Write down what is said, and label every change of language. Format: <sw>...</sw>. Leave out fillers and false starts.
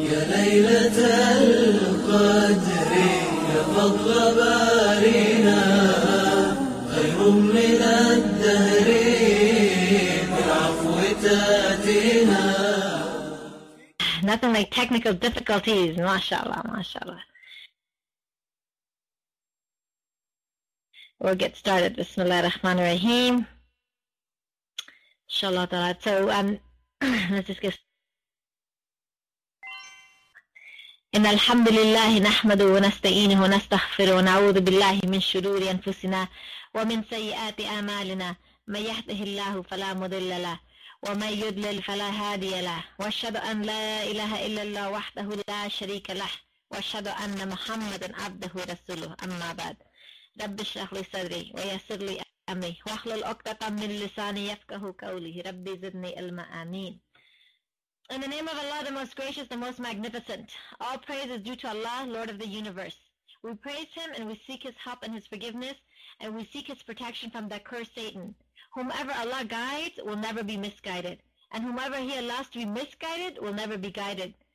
<ar>ليلة القدر يا فضل بارنا خير من الدهر بالعفو تاتنا.</ar> <en>Nothing like technical difficulties. MashaAllah, MashaAllah. We'll get started. Bismillah ar-Rahman ar-Rahim. Inshallah ta'ala. So, let's just get</en> <ar>إن الحمد لله نحمده ونستعينه ونستغفره ونعوذ بالله من شرور أنفسنا ومن سيئات أعمالنا من يهده الله فلا مضل له ومن يضلل فلا هادي له وأشهد أن لا إله إلا الله وحده لا شريك له وأشهد أن محمدا عبده ورسوله أما بعد رب اشرح لي صدري ويسر لي أمري واحلل عقدة من لساني يفقهوا قولي ربي زدني علما آمين.</ar> <en>In the name of Allah, the most gracious, the most magnificent, all praise is due to Allah, Lord of the universe. We praise Him and we seek His help and His forgiveness, and we seek His protection from that cursed Satan. Whomever Allah guides will never be misguided, and whomever He allows to be misguided will never be guided.</en>